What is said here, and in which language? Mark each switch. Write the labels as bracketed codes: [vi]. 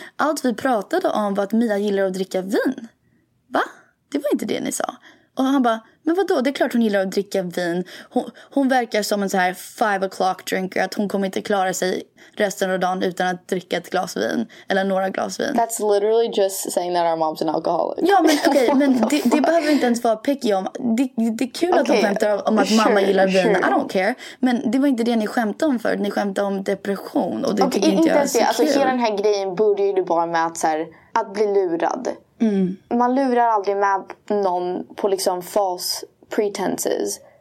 [sv] Allt vi pratade om var att Mia gillar att dricka vin. Va? Det var inte det ni sa. Och han bara, men vadå, det är klart hon gillar att dricka vin. Hon verkar som en så här [en] 5 o'clock drinker. [sv] Att hon kommer inte klara sig resten av dagen utan att dricka ett glas vin. Eller några glas vin. [en] That's literally just saying that our mom's an alcoholic. [sv] Ja, men okej, okay, men det behöver inte ens vara picky om. Det är kul okay, att de skämtar om att mamma gillar vin. Sure. [en] I don't care. [sv] Men det var inte det ni skämtade om förut. Ni skämtade om depression. Och det okay, tycker inte jag är så alltså, kul. Hela den här grejen borde ju bara med att, så här, att bli lurad. Mm. Man lurar aldrig med någon på liksom [en] false pretenses.